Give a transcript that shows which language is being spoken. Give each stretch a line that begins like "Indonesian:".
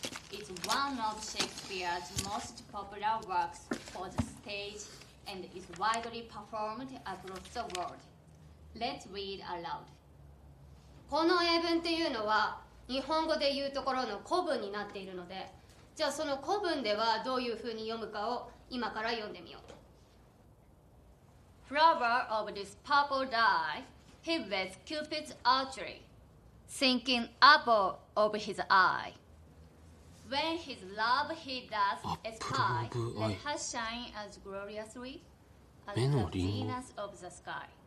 English: It's one of Shakespeare's most popular works for the stage and is widely performed across the world. Let's read aloud.
Japanese: この英文っていうのは日本語で言うところの古文になっているので、じゃあその古文ではどういうふうに読むかを今から読んでみよう。
English: Flower of this purple dye, he with Cupid's archery. Thinking apple of his eye. When his love he does espy, let her shine as gloriously as the Venus of the sky.